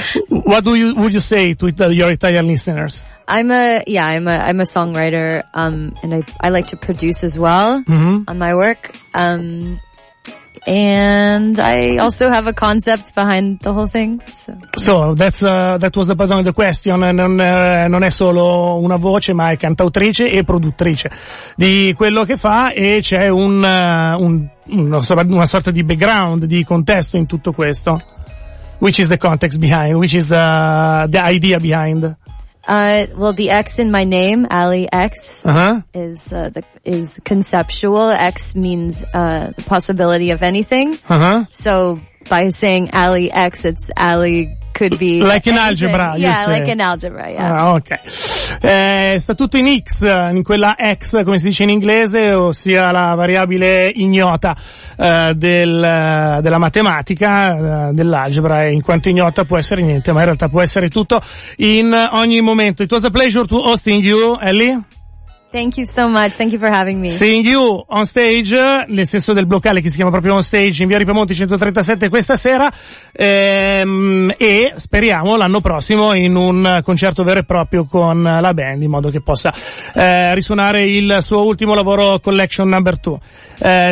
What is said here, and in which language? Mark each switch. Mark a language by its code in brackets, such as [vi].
[en] What would you say to your Italian listeners? I'm a songwriter, and I like to produce as well, mm-hmm. on my work. And I also have a concept behind the whole thing. So that was the bottom of the question. [it] Non è solo una voce, ma è cantautrice e produttrice di quello che fa, e c'è una sorta di background, di contesto in tutto questo. [en] Which is the context behind? Which is the idea behind? Well, the X in my name, Ali X, is conceptual. X means the possibility of anything. Uh-huh. So by saying Ali X, it's Ali could be like in algebra. Yeah, like in algebra. Yeah. Ah, okay. Sta tutto in X, in quella X, come si dice in inglese, ossia la variabile ignota della matematica, dell'algebra, e in quanto ignota può essere niente, ma in realtà può essere tutto in ogni momento. It was a pleasure to hosting you, Ellie. Thank you so much, thank you for having me. Seeing you on stage, [it] nel senso del locale che si chiama proprio on stage, in via Ripamonti 137 questa sera, e speriamo l'anno prossimo in un concerto vero e proprio con la band, in modo che possa risuonare il suo ultimo lavoro, Collection Number 2.